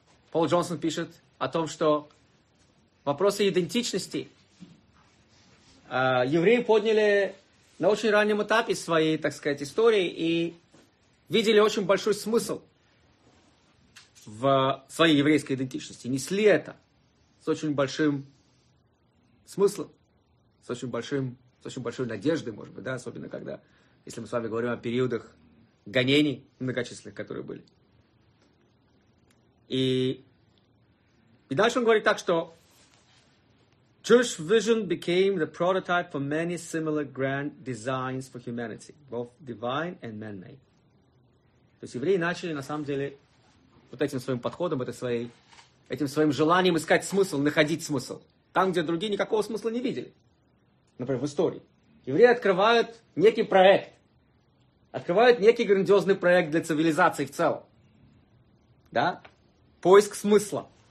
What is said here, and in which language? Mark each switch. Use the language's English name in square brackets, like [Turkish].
[Russian] Пол Джонсон пишет о том, что вопросы идентичности евреи подняли на очень раннем этапе своей, так сказать, истории и видели очень большой смысл в своей еврейской идентичности. Несли это с очень большим смыслом, с очень большой надеждой, может быть, да, особенно когда, если мы с вами говорим о периодах гонений многочисленных, которые были. И дальше он говорит так, что [English] Jewish vision became the prototype for many similar grand designs for humanity, both divine and man-made. [Russian] То есть евреи начали, на самом деле, вот этим своим подходом, этим своим желанием искать смысл, находить смысл. Там, где другие никакого смысла не видели. Например, в истории. Евреи открывают некий проект. Открывают некий грандиозный проект для цивилизации в целом. Да? Поиск смысла.